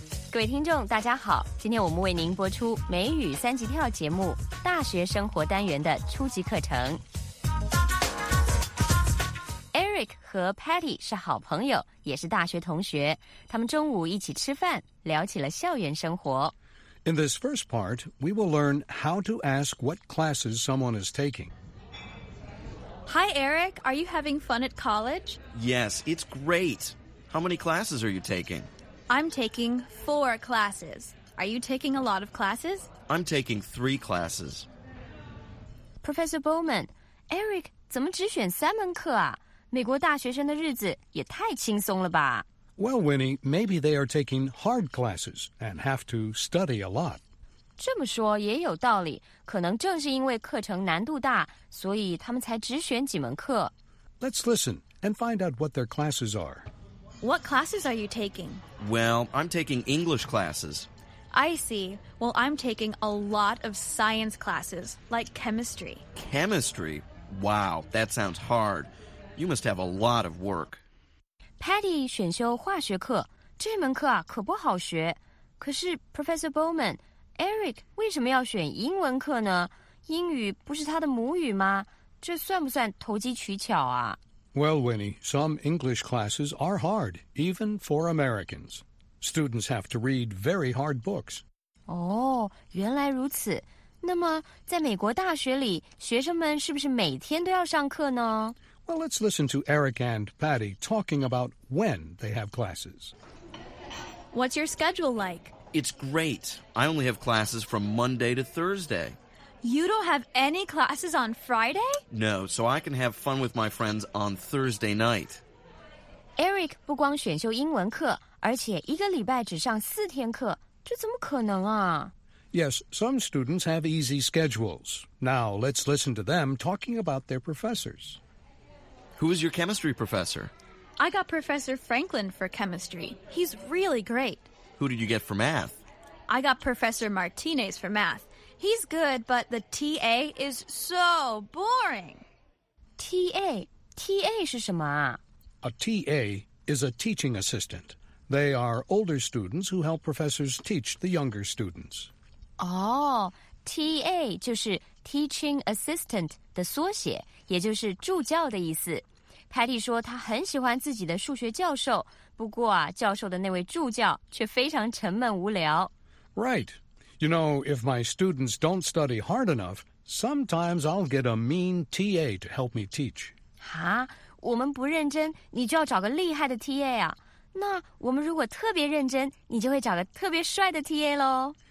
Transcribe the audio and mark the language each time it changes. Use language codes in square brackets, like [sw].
[zh] 各位听众，大家好，今天我们为您播出美语三级跳节目大学生活单元的初级课程。 Eric 和 Patty 是好朋友，也是大学同学。他们中午一起吃饭，聊起了校园生活。 [en] In this first part, we will learn how to ask what classes someone is taking. Hi, Eric. Are you having fun at college? Yes, it's great. How many classes are you taking? I'm taking 4 classes. Are you taking a lot of classes? I'm taking 3 classes. [zh] Professor Bowman, Eric 怎么只选三门课啊？美国大学生的日子也太轻松了吧。 [en] Well, Winnie, maybe they are taking hard classes and have to study a lot. [zh] 这么说也有道理，可能正是因为课程难度大，所以他们才只选几门课。 [en] Let's listen and find out what their classes are. What classes are you taking? Well, I'm taking English classes. I see. Well, I'm taking a lot of science classes, like chemistry. Chemistry? Wow, that sounds hard. You must have a lot of work. [zh] Patty 选修化学课，这门课啊可不好学。可是 Professor Bowman, Eric 为什么要选英文课呢？英语不是他的母语吗？这算不算投机取巧啊？ [en] Well, Winnie, some English classes are hard, even for Americans. Students have to read very hard books. [zh] 哦，原来如此。那么在美国大学里，学生们是不是每天都要上课呢？ [en] Well, let's listen to Eric and Patty talking about when they have classes. What's your schedule like? It's great. I only have classes from Monday to Thursday. You don't have any classes on Friday? No, so I can have fun with my friends on Thursday night. [zh] Eric 不光选修英文课，而且一个礼拜只上四天课，这怎么可能啊？ [en] Yes, some students have easy schedules. Now, let's listen to them talking about their professors. Who is your chemistry professor? I got Professor Franklin for chemistry. He's really great. Who did you get for math? I got Professor Martinez for math. He's good, but the TA is so boring. [zh] TA 是什么啊? [en] A TA is a teaching assistant. They are older students who help professors teach the younger students. [zh] Oh, TA 就是 teaching assistant 的缩写，也就是助教的意思。 Patty 说他很喜欢自己的数学教授，不过啊，教授的那位助教却非常沉闷无聊。 [en] Right. You know, if my students don't study hard enough, sometimes I'll get a mean TA to help me teach. [zh] 啊，我们不认真，你就要找个厉害的 TA 啊。那我们如果特别认真，你就会找个特别帅的 TA 咯。